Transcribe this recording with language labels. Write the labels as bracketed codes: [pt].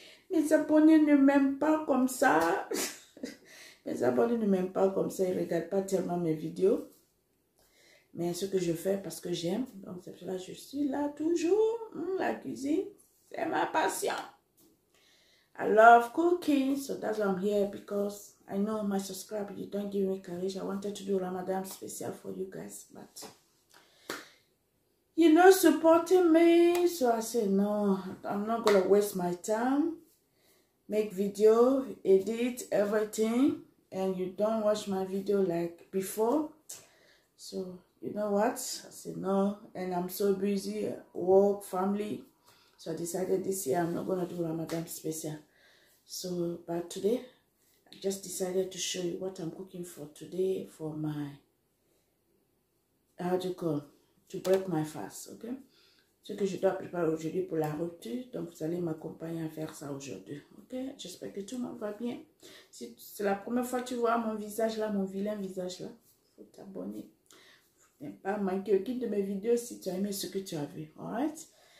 [fr] Mes abonnés ne m'aiment pas comme ça. Mes abonnés ne m'aiment pas comme ça, ils regardent pas tellement mes vidéos, mais ce que je fais parce que j'aime. Donc c'est pour cela que je suis là toujours, la cuisine c'est ma passion. [en] I love cooking, so that's why I'm here, because I know my subscribers, you don't give me courage. I wanted to do Ramadan special for you guys, but you're not supporting me. So I said, no, I'm not going to waste my time. Make video, edit everything, and you don't watch my video like before. So, you know what? I said, no, and I'm so busy, work, family. So I decided this year I'm not going to do Ramadan special. So, but today, I just decided to show you what I'm cooking for today for my, how do you call, to break my fast, okay? [fr] Ce que je dois préparer aujourd'hui pour la rupture, donc vous allez m'accompagner à faire ça aujourd'hui, ok? J'espère que tout le monde va bien. Si c'est la première fois que tu vois mon visage là, mon vilain visage là, faut t'abonner. Faut ne pas manquer aucune de mes vidéos si tu as aimé ce que tu as vu, alright?